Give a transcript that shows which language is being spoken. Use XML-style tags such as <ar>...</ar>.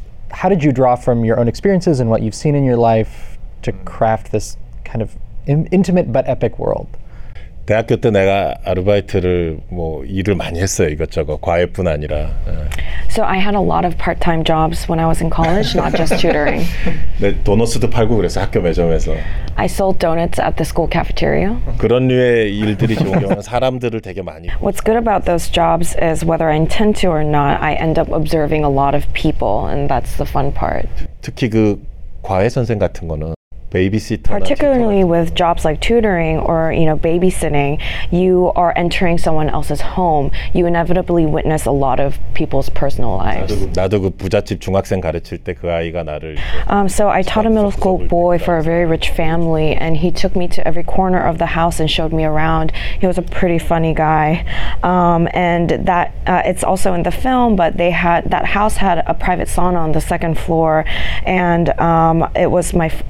<en>How did you draw from your own experiences and what you've seen in your life to craft this kind of intimate but epic world?</en> <ko>대학교 때 내가 아르바이트를 뭐 일을 많이 했어요 이것저것 과외뿐 아니라.</ko> <en>So I had a lot of part-time jobs when I was in college, not just tutoring.</en> <ko>네, 도넛도 팔고 그랬어 학교 매점에서.</ko> <en>I sold donuts at the school cafeteria.</en> <ko>그런 류의 일들이 좋은 경우는 사람들을 되게 많이.</ko> <en>What's good about those jobs is whether I intend to or not, I end up observing a lot of people, and that's the fun part.</en> <ko>특히 그 과외 선생 같은 거는.</ko> <en>babysitter, particularly with jobs like tutoring or, you know, babysitting, you are entering someone else's home. You inevitably witness a lot of people's personal lives. 나도 부잣집 중학생 가르칠 때 그 아이가 나를. So I taught a middle school boy for a very rich family, and he took me to every corner of the house and showed me around. He was a pretty funny guy, and that it's also in the film. But they had that house had a private sauna on the second floor, and it was my.</en>